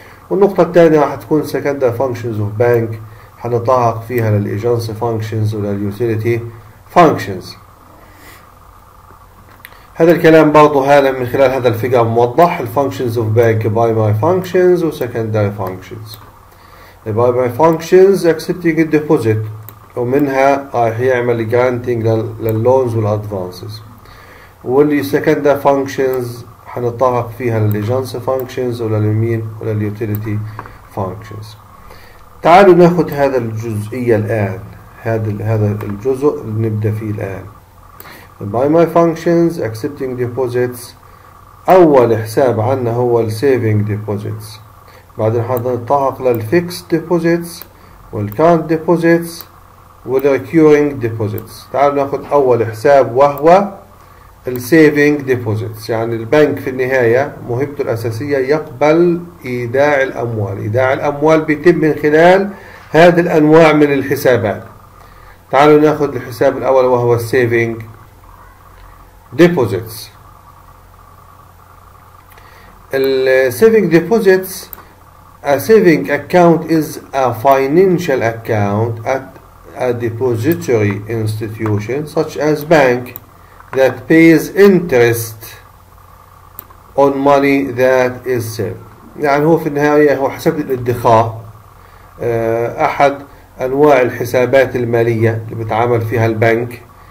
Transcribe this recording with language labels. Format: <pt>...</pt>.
<ar>والنقطة الثانية راح تكون</ar> <en>secondary functions of bank،</en> <ar>حنتطرق فيها للإيجنسي functions وللutility functions. هذا الكلام برضو هذا من خلال هذا الفقرة موضح الـ</ar> <en>functions of bank، primary functions</en> <ar>و secondary functions.</ar> <en>الـ primary functions accepting a deposit،</en> <ar>ومنها راح يعمل</ar> <en>granting للـ loans والـ advances.</en> <ar>والـ secondary functions حنتطرق فيها للـ</ar> <en>agency functions</en> <ar>ولل يمين ولل</ar> <en>utility functions.</en> <ar>تعالوا ناخذ هذا الجزئية الآن، هذا الجزء اللي نبدأ فيه الآن.</ar> <en>By my functions accepting deposits،</en> <ar>أول حساب عنا هو الـ</ar> <en>saving deposits.</en> <ar>بعدين حنتطرق للـ</ar> <en>fixed deposits</en> <ar>والـ current deposits والـ</ar> <en>recurring deposits.</en> <ar>تعالوا ناخذ أول حساب وهو الـ saving deposits. يعني البنك في النهاية مهمته الأساسية يقبل إيداع الأموال. إيداع الأموال بيتم من خلال هذه الأنواع من الحسابات. تعالوا ناخذ الحساب الأول وهو الـ saving deposits.</ar> <en>Saving deposits. A saving account is a financial account at a depository institution such as bank that pays interest on money that is saved.</en> <ar>يعني هو في النهاية هو حساب الادخار، أحد أنواع الحسابات المالية اللي بتعامل فيها البنك.</ar>